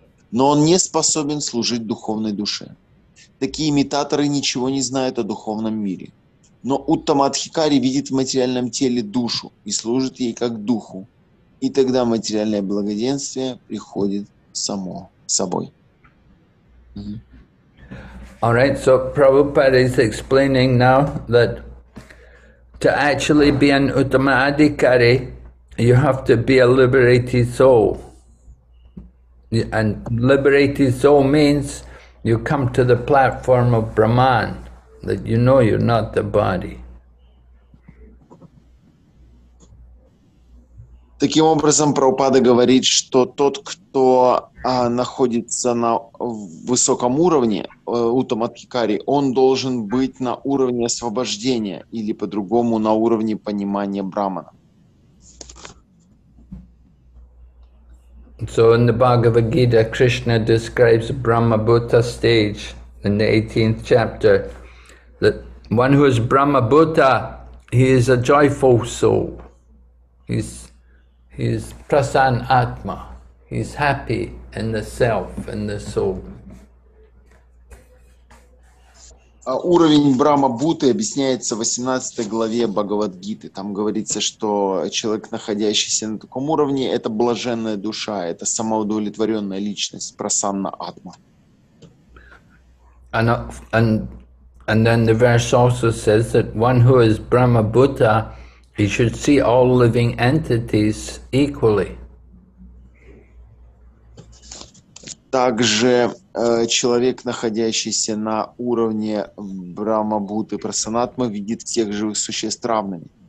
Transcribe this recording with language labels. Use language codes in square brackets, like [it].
[ru] Но он не способен служить духовной душе. Такие имитаторы ничего не знают о духовном мире. Но Уттамадхикари видит в материальном теле душу и служит ей как духу. И тогда материальное благоденствие приходит само собой. Mm-hmm. [en] All right, so Prabhupada is explaining now that to actually be an Uttamadhikari, you have to be a liberated soul. And liberated soul means you come to the platform of Brahman, that you know you're not the body. [ru] Таким образом, Прабхупада говорит, что тот, кто находится на высоком уровне, Уттамадхикари, он должен быть на уровне освобождения или по-другому на уровне понимания Брахмана. [en] So in the Bhagavad Gita, Krishna describes Brahma-Bhuta stage in the 18th chapter, that one who is Brahma-Bhuta, he is a joyful soul. He's prasan atma. He's happy in the self, in the soul. [ru] Уровень Брахма-Бхуты объясняется в 18 главе Бхагавад-гиты. Там говорится, что человек, находящийся на таком уровне, это блаженная душа, это самоудовлетворенная личность, прасанна атма. [en] And then the verse also says that one who is Brahma-Bhuta, he should see all living entities equally. [ru] Также человек, находящийся на уровне Брахма-Бхуты Прасанатмы, видит всех живых существ равными.